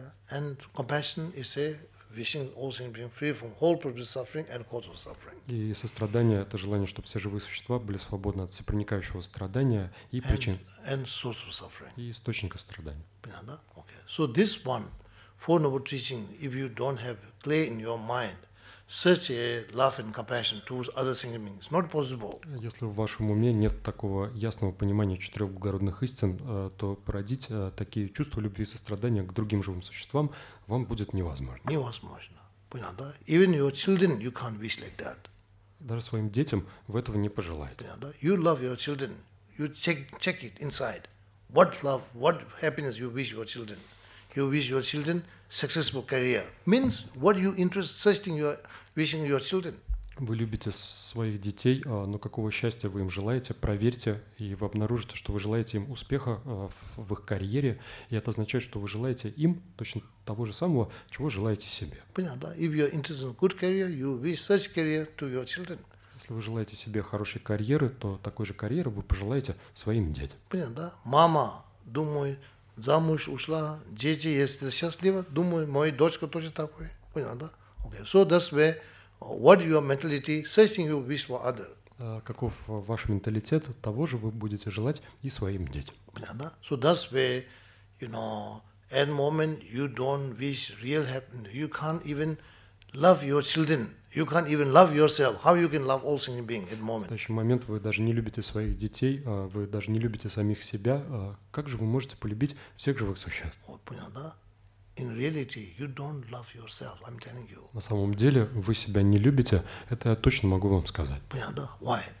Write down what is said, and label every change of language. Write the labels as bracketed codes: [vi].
[en] And compassion is a wishing all things being free from whole problems of suffering and cause of suffering. [ru] И сострадание — это желание, чтобы все живые существа были свободны от всепроникающего страдания и причин. [en] And source of suffering. [ru] И источника страдания. Понятно? Okay. [en] So this one, four noble teachings, if you don't have clear in your mind such a love and compassion towards other things and beings, not possible. [ru] Если в вашем уме нет такого ясного понимания четырех благородных истин, то породить такие чувства любви и сострадания к другим живым существам вам будет невозможно. Невозможно. Понятно, да? [en] Even your children, you can't wish like that. [ru] Даже своим детям вы этого не пожелаете. Понятно, да? [en] You love your children. You check it inside. What love, what happiness you wish your children? You wish your children successful career. Means what you interest, such thing you are wishing your children. [ru] Вы любите своих детей, но какого счастья вы им желаете? Проверьте, и вы обнаружите, что вы желаете им успеха в их карьере, и это означает, что вы желаете им точно того же самого, чего желаете себе. Понятно, да? [en] If you are interested in good career, you wish such career to your children. [ru] Если вы желаете себе хорошей карьеры, то такой же карьеры вы пожелаете своим детям. Понятно, да? Мама, думаю, замуж ушла, дети, если счастливы, думаю, моя дочка тоже такой. Понятно, да? Okay. [en] So that's why, what your mentality, such thing you wish for other. [ru] Каков ваш менталитет, того же вы будете желать и своим детям. Понятно, да? [en] So that's why, you know, at the moment you don't wish real happiness, you can't even love your children. You can't even love yourself. How you can love all sentient beings at the moment? [ru] В настоящий момент вы даже не любите своих детей, вы даже не любите самих себя. Как же вы можете полюбить всех живых существ? Вот, понял, да? [en] In reality, you don't love yourself. I'm telling you. [ru] На самом деле вы себя не любите. Это я точно могу вам сказать. Понял, да? [en] Why?